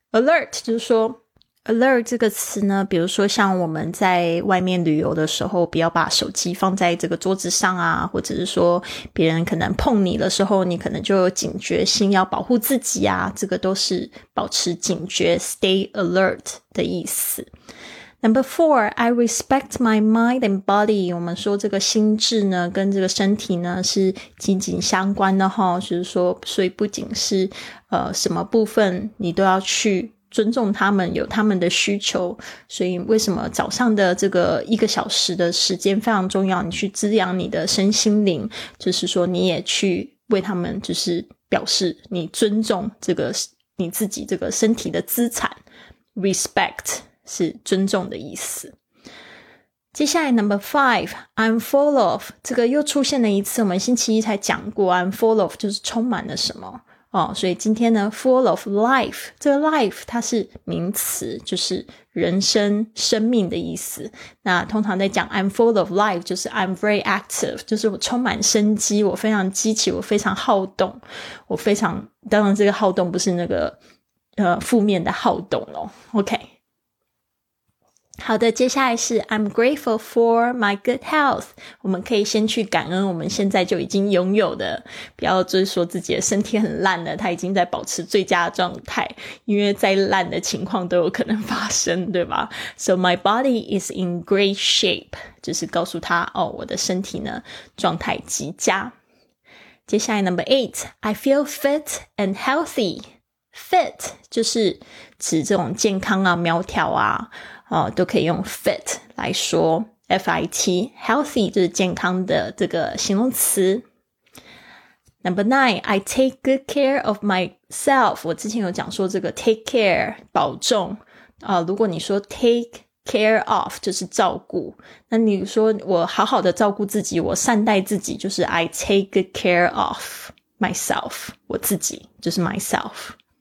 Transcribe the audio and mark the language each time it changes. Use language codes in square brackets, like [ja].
[zh] Alert 就是说 ，alert 这个词呢，比如说像我们在外面旅游的时候，不要把手机放在这个桌子上啊，或者是说别人可能碰你的时候，你可能就有警觉心，要保护自己啊，这个都是保持警觉 ， stay alert 的意思。 [en] Number four, I respect my mind and body. [zh] 我们说这个心智呢跟这个身体呢是紧紧相关的齁，就是说所以不仅是什么部分你都要去尊重他们，有他们的需求。所以为什么早上的这个一个小时的时间非常重要，你去滋养你的身心灵，就是说你也去为他们就是表示你尊重这个你自己这个身体的资产。 Respect是尊重的意思。接下来 number five， I'm full of，这个又出现了一次，我们星期一才讲过 I'm full of 就是充满了什么所以今天呢 full of life， 这个 life 它是名词，就是人生生命的意思。那通常在讲 I'm full of life 就是 I'm very active，就是我充满生机，我非常激起，我非常好动，我非常，当然这个好动不是那个负面的好动咯。 [en] OK，好的，接下来是 I'm grateful for my good health。 [zh] 我们可以先去感恩我们现在就已经拥有的，不要就是说自己的身体很烂了，它已经在保持最佳的状态，因为再烂的情况都有可能发生，对吧？ So my body is in great shape，就是告诉他哦，我的身体呢状态极佳。 [en] 接下来 number 8， I feel fit and healthy。 [zh] fit 就是指这种健康啊，苗条啊都可以用 fit 来说， F-I-T， healthy 就是健康的这个形容词。 Number 9， I take good care of myself。我之前有讲说这个 take care 保重如果你说 take care of 就是照顾，那你说我好好的照顾自己，我善待自己，就是 I take good care of myself， 我自己就是 myself。